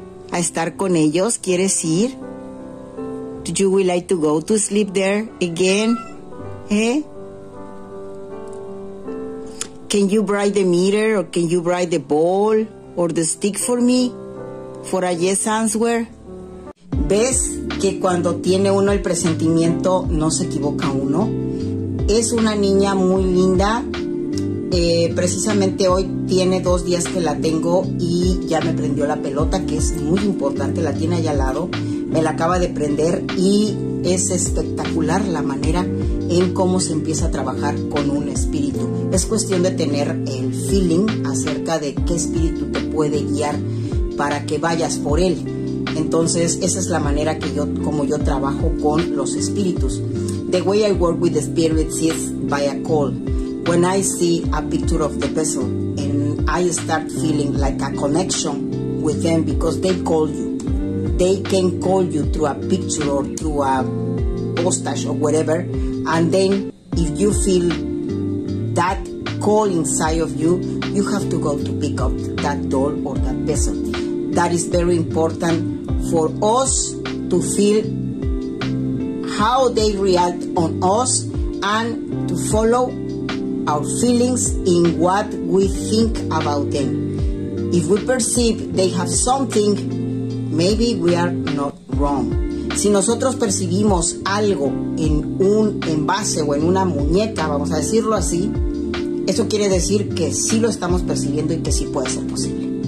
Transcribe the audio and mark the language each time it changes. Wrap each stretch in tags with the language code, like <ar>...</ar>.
<es>A estar con ellos? ¿Quieres ir?</es> <en>Do you would like to go to sleep there again? ¿Eh? Can you bring the meter or can you bring the ball or the stick for me? For a yes answer?</en> <es>¿Ves que cuando tiene uno el presentimiento no se equivoca uno? Es una niña muy linda. Precisamente hoy tiene 2 días que la tengo y ya me prendió la pelota, que es muy importante, la tiene allá al lado. Me la acaba de prender y es espectacular la manera en cómo se empieza a trabajar con un espíritu. Es cuestión de tener el feeling acerca de qué espíritu te puede guiar para que vayas por él. Entonces, esa es la manera que yo, como yo trabajo con los espíritus.</es> <en>The way I work with the spirits is by a call. When I see a picture of the person and I start feeling like a connection with them because they call you. They can call you through a picture or through a postage or whatever. And then if you feel that call inside of you, you have to go to pick up that doll or that vessel. That is very important for us to feel how they react on us and to follow our feelings in what we think about them. If we perceive they have something, maybe we are not wrong.</en> <es>Si nosotros percibimos algo en un envase o en una muñeca, vamos a decirlo así, eso quiere decir que sí lo estamos percibiendo y que sí puede ser posible.</es>